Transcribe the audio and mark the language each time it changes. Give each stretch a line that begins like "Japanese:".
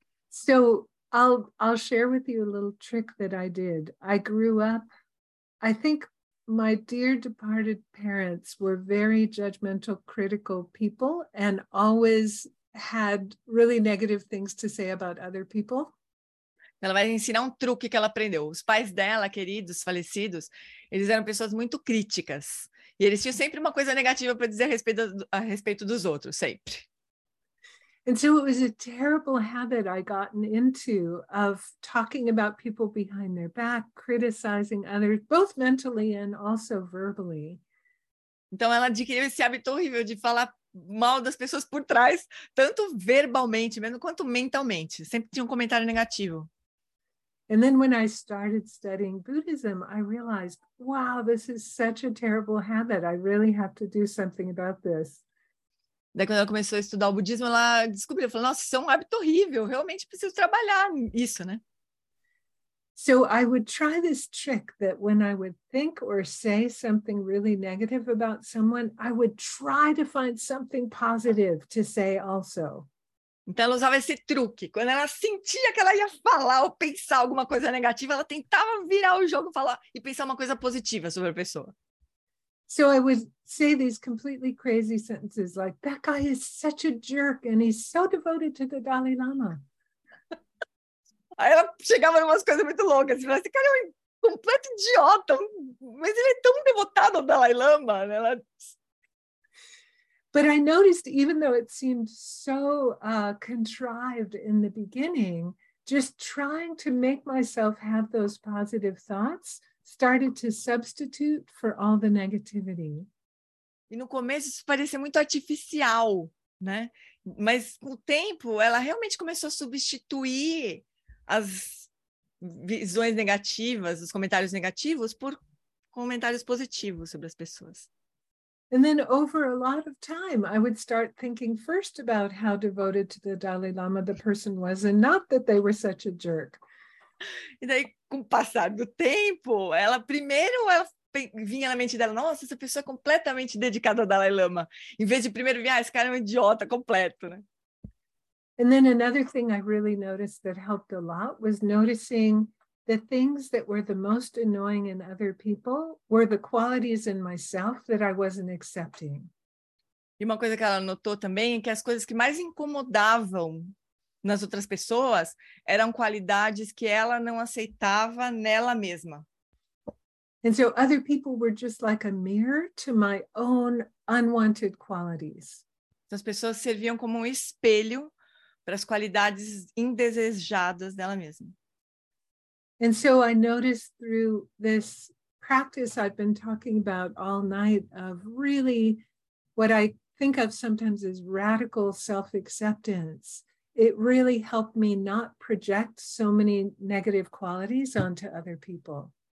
English: So I'll share with you a little trick that I did. I grew up, I think my dear departed parents were very judgmental, critical people and always had really negative things to say about other people.
Portuguese: Ela vai ensinar truque que ela aprendeu. Os pais dela, queridos, falecidos, eles eram pessoas muito críticas. E eles tinham sempre uma coisa negativa para dizer a respeito dos outros, sempre.
English: And so it was a terrible habit I gotten into of talking about people behind their back, criticizing others, both mentally and also verbally.
Portuguese: Então ela adquiriu esse hábito horrível de falar mal das pessoas por trás, tanto verbalmente mesmo, quanto mentalmente. Sempre tinha comentário negativo.
English: And then when I started studying Buddhism, I realized, wow, this is such a terrible habit. I really have to do something about this.
Portuguese: Daí quando ela começou a estudar o budismo, ela descobriu, falou, nossa, isso é um hábito horrível, realmente preciso trabalhar isso, né?
English: So I would try this trick that when I would think or say something really negative about someone, I would try to find something positive to say also.
Portuguese: Então ela usava esse truque, quando ela sentia que ela ia falar ou pensar alguma coisa negativa, ela tentava virar o jogo e pensar uma coisa positiva sobre a pessoa.
English: So I would say these completely crazy sentences like, that guy is such a jerk and he's so devoted to the Dalai Lama.
Portuguese: Aí ela chegava numas coisas muito loucas. Esse cara é um completo idiota, mas ele é tão devotado ao Dalai Lama. Ela...
English: But I noticed, even though it seemed so contrived in the beginning, just trying to make myself have those positive thoughts started to substitute for all the negativity.
Portuguese: E no começo isso parecia muito artificial, né? Mas com o tempo ela realmente começou a substituir as visões negativas, os comentários negativos, por comentários positivos sobre as pessoas.
English: And then over a lot of time, I would start thinking first about how devoted to the Dalai Lama the person was, and not that they were such a jerk.
Portuguese: E daí, com o passar do tempo, ela primeiro ela vinha na mente dela, nossa, essa pessoa é completamente dedicada ao Dalai Lama. Em vez de primeiro vir, ah, esse cara é um idiota completo, né?
English: And then another thing I really noticed that helped a lot was noticing the things that were the most annoying in other people were the qualities in myself that I wasn't accepting.
Portuguese: E uma coisa que ela notou também é que as coisas que mais incomodavam nas outras pessoas eram qualidades que ela não aceitava nela mesma.
English: And so other people were just like a mirror to my own unwanted qualities.
Portuguese: As pessoas serviam como um espelho para as qualidades indesejadas dela mesma.
English: And so I noticed through this practice I've been talking about all night of really what I think of sometimes as radical self-acceptance, it really helped me not project so many negative qualities onto other people.